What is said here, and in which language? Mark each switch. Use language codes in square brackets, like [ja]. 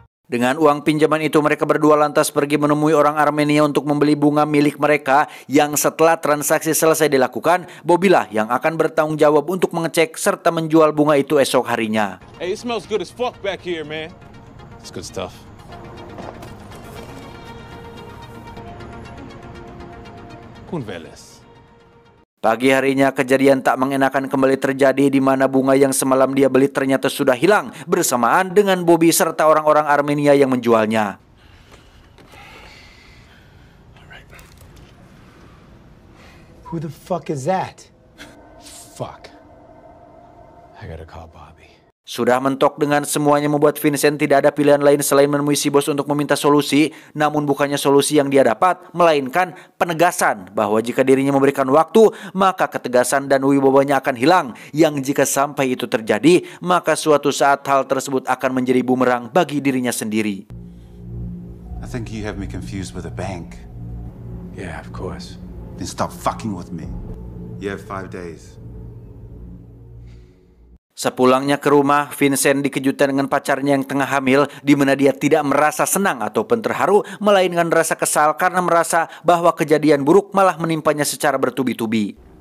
[id] Dengan uang pinjaman itu, mereka berdua lantas pergi menemui orang Armenia untuk membeli bunga milik mereka yang setelah transaksi selesai dilakukan, Bobby lah yang akan bertanggung jawab untuk mengecek serta menjual bunga itu esok harinya. [en] Hey, it smells good as fuck back here, man. It's good stuff. Kun veles. [id] Pagi harinya kejadian tak mengenakan kembali terjadi, di mana bunga yang semalam dia beli ternyata sudah hilang bersamaan dengan Bobby serta orang-orang Armenia yang menjualnya. [en] Who the fuck is that? Fuck. I gotta call Bobby. [id] Sudah mentok dengan semuanya membuat Vincent tidak ada pilihan lain selain menemui si bos untuk meminta solusi. Namun bukannya solusi yang dia dapat, melainkan penegasan bahwa jika dirinya memberikan waktu, maka ketegasan dan wibawanya akan hilang. Yang jika sampai itu terjadi, maka suatu saat hal tersebut akan menjadi bumerang bagi dirinya sendiri. [en] I think you have me confused with a bank. Yeah, of course. Then stop fucking with me. You have 5 days. [id] Sepulangnya ke rumah, Vincent dikejutkan dengan pacarnya yang tengah hamil, di mana dia tidak merasa senang ataupun terharu, melainkan rasa kesal karena merasa bahwa kejadian buruk malah menimpanya secara bertubi-tubi.